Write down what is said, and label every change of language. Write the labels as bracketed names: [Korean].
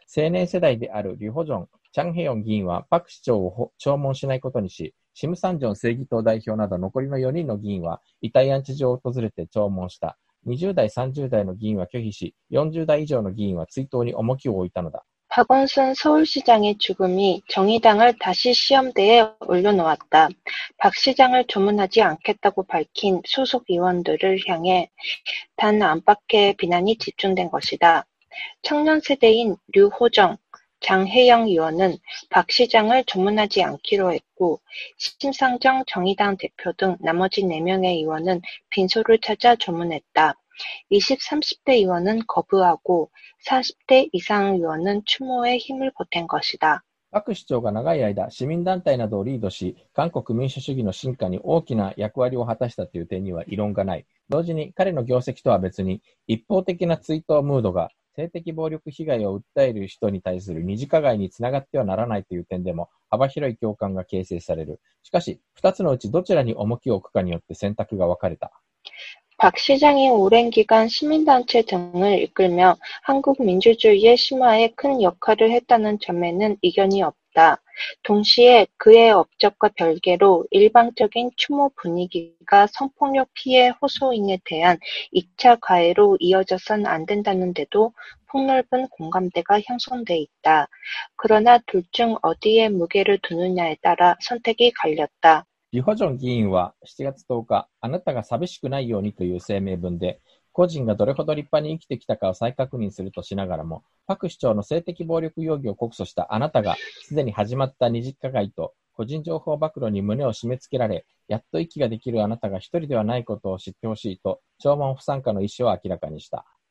[Japanese] 青年世代であるリュホジョン・チャンヘヨン議員はパク市長を弔問しないことにし、シムサンジョン正義党代表など残りの4人の議員は遺体安置所を訪れて弔問した。 20代30代の議員は拒否し、40代以上の議員は追悼に重きを置いたのだ。 [Korean] パゴンスン서울시장의죽음이정의당을다시시험대에올려놓았다. 박 시장을 조문하지 않겠다고 밝힌 소속 의원들을 향해 당 안팎의 비난이 집중된 것이다. 청년 세대인 류 호정, 장 혜영 의원은 박 시장을 조문하지 않기로 했고 심상정 정의당 대표 등 나머지 4명의 의원은 빈소를 찾아 조문했다. 20, 30대의원은거부하고40대이상의원은추모에힘을보탠것이다. 박시장이 [Japanese] 長い間 [Korean] 시민단체 [Japanese] など [Korean] を리드시한국민주주의의진화에큰역할을 [Japanese] 果たしたという点には異論がない。同時に彼の業績とは別に一方的な追悼ムードが性的暴力被害を訴える人に対する二次加害につながってはならないという点でも幅広い共感が形成される。しかし2つのうちどちらに重きを置くかによって選択が分かれた。 [Korean] 박시장이오랜기간시민단체등을이끌며한국민주주의의심화에큰역할을했다는점에는이견이없다. 동시에그의업적과별개로일방적인추모분위기가성폭력피해호소인에대한2차가해로이어져선안된다는데도폭넓은공감대가형성돼있다. 그러나둘중어디에무게를두느냐에따라선택이갈렸다. [Japanese] リホジョン議員は7月10日、あなたが寂しくないようにという声明文で、個人がどれほど立派に生きてきたかを再確認するとしながらも、パク市長の性的暴力容疑を告訴したあなたが、すでに始まった二次加害と個人情報暴露に胸を締め付けられ、やっと息ができるあなたが一人ではないことを知ってほしいと、弔問不参加の意思を明らかにした。